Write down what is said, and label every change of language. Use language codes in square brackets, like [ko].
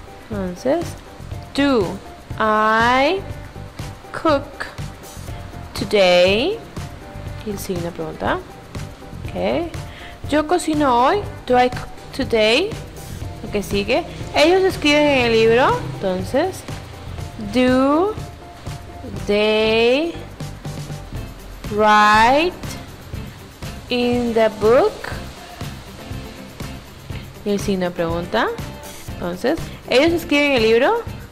[en] Entonces, ¿do I cook today? [es] Y el signo pregunta. Okay. ¿Yo cocino hoy? [en] Do I cook today? [es] Lo que sigue. ¿Ellos escriben en el libro? [en] Entonces, do they write in the book? [es] Y el signo pregunta. Entonces, ¿ellos escriben en el libro?